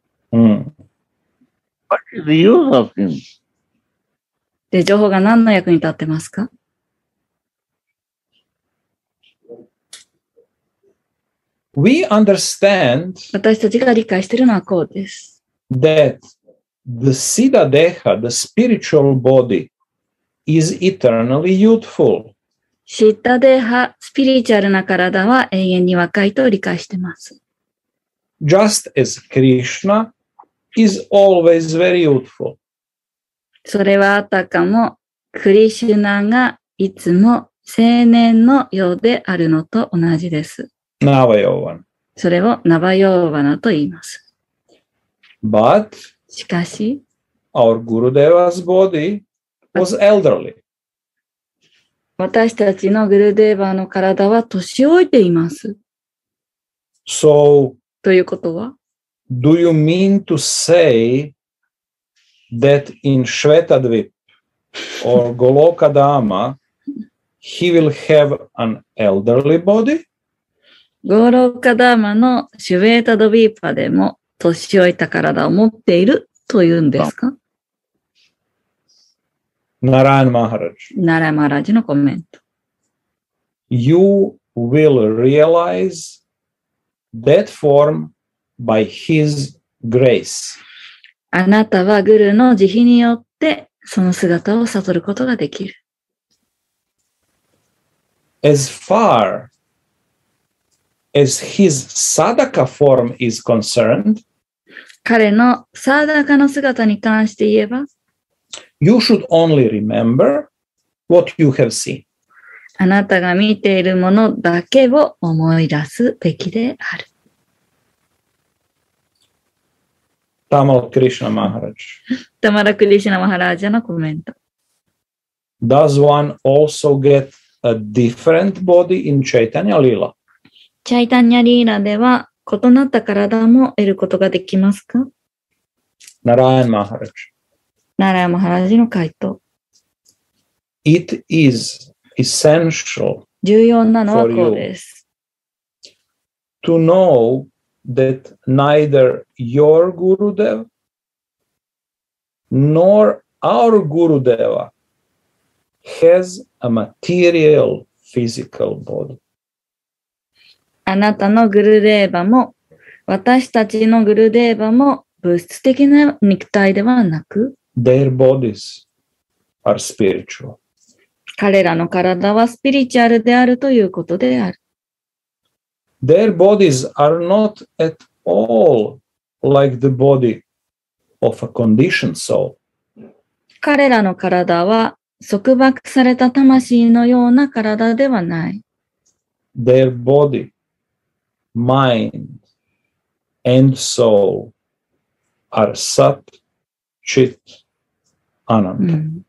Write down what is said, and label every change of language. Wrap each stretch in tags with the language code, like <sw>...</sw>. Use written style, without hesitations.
<en>What is the use of him?</en> <ja>で、情報が何の役に立ってますか？</ja> <en>We understand</en> <ja>私たちが理解しているのはこうです。</ja> <en>That the Siddha Deha, the spiritual body, is eternally youthful.</en> <ja>Siddha Deha, spiritual な体は永遠に若いと理解しています。</ja> <en>Just as Krishna is always very youthful.</en> <ja>それはあたかも、クリシュナがいつも青年のようであるのと同じです。</ja> <sa>Navayovana.</sa> <ja>それをナバヨーバナと言います。</ja> <en>But,</en> <ja>しかし、</ja> <en>our Gurudeva's body was elderly.</en> <ja>私たちのグルデーバの体は年老いています。</ja> <en>So,</en> <ja>ということは、</ja> <en>do you mean to say that in Shvetadvip or Goloka Dhamma, he will have an elderly body?</en> <ja>ゴーローカダーマのシュヴェータドビーパでも年老いた体を持っているというんですか？ナラーン・マハラジ。ナラーン・マハラジのコメント。</ja> <en>You will realize that form by his grace.</en> <ja>あなたはグルの慈悲によってその姿を悟ることができる。</ja> <en>As farAs his sadaka form is concerned,</en> <ja>彼のサダカの姿に関して言えば、</ja> <en>you should only remember what you have seen.</en> <ja>あなたが見ているものだけを思い出すべきである。</ja> <en>Tamal Krishna Maharaj.</en> <ja>Tamala Krishna Maharaj のコメント。</ja> <en>Does one also get a different body in Chaitanya Lila?</en> <ja>チャイタンニャリーラでは異なった体も得ることができますか？ナラヤン・マハラジ。ナラヤン・マハラジの回答。</ja> <en>It is essential</en> <ja>重要なのはこうです。</ja> <en>To know that neither your Gurudev nor our Gurudeva has a material physical body.</en> <ja>あなたのグルデーバも、私たちのグルデーバも、物質的な肉体ではなく、</ja> <en>Their bodies are spiritual.</en> <ja>彼らの体はスピリチュアルであるということである。</ja> <en>Their bodies are not at all like the body of a conditioned soul.</en> <ja>彼らの体は、束縛された魂のような体ではない。</ja> <en>Their bodyMind and soul are sat, chit, ananda.</en>